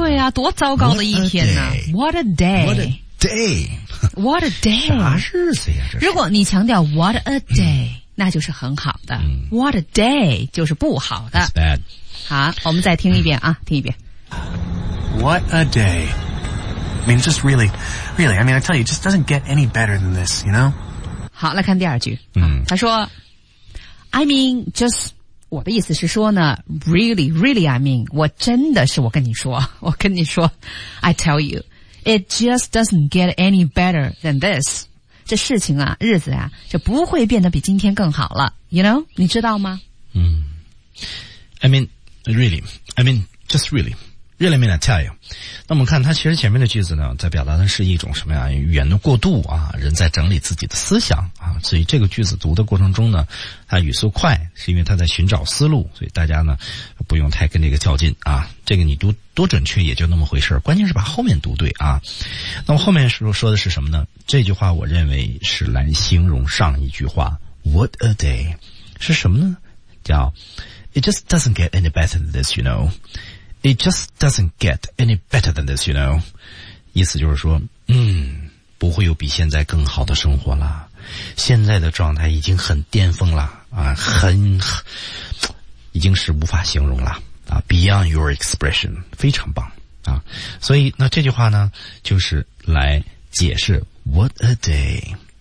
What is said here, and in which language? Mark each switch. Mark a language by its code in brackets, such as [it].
[zh] 对呀、啊，多糟糕的一天呢、啊、 [en] What a day， What a day What a day， [zh] 啥日子呀这是？如果你强调 [en] What a day，、 [zh] 嗯、那就是很好的、嗯、 ； [en] What a day [zh] 就是不好的。好，我们再听一遍啊、嗯，听一遍。 [en] What a day! I mean, just really, really. I mean, I tell you, it just doesn't get any better than this, you know? [zh] 好，来看第二句。嗯， [en] 他说 ，I mean, just [zh] 我的意思是说呢 [en] ，really, really. I mean, [zh] 我真的是我跟你说 [en] ，I tell you. It just doesn't get any better than this. [zh] 这事情啊，日子啊，就不会变得比今天更好了。 [en] You know? [zh] 你知道吗？ [en] 嗯。I mean, really. I mean, just really. Really, I mean, I tell you. [zh] 那我们看他其实前面的句子呢，在表达的是一种什么呀？语言的过渡啊，人在整理自己的思想啊，所以这个句子读的过程中呢，他语速快，是因为他在寻找思路，所以大家呢，不用太跟这个较劲啊。这个你读多准确也就那么回事，关键是把后面读对啊。那么后面说的是什么呢？这句话我认为是来形容上一句话 ， [en] What a day， [zh] 是什么呢？ [en] 叫 It just doesn't get any better than this, you know。 It just doesn't get any better than this, you know. [zh] 意思就是说，嗯，不会有比现在更好的生活了。现在的状态已经很巅峰了啊，已经是无法形容了啊 ， [en] beyond your expression， [zh] 非常棒啊。所以那这句话呢，就是来解释 [en] "What a day"。